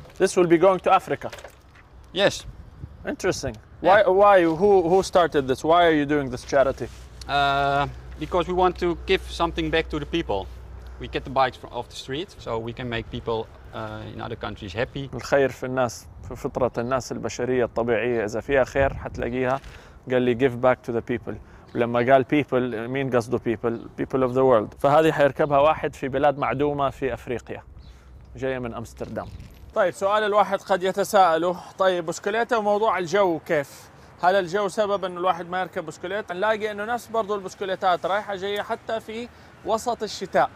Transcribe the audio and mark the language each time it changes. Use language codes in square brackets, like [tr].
[en] This will be going to Africa. Yes. Interesting. Yeah. Why? Who started this? Why are you doing this charity? Because we want to give something back to the people. We get the bikes off the street, so we can make people in other countries happy. [ar] الخير في الناس، في فطرة الناس البشرية الطبيعية. إذا فيها خير هتلاقيها. قال لي [en] give back to the people. [ar] ولما قال people مين قصده people؟ [en] people of the world. [ar] فهذه حيركبها واحد في بلاد معدومة في أفريقيا جاية من أمستردام. طيب سؤال الواحد قد يتساءله، طيب بسكليتة وموضوع الجو كيف؟ هل الجو سبب أنه الواحد ما يركب بسكليت؟ نلاقي أنه نفس برضو البسكليتات رايحة جاية حتى في وسط الشتاء.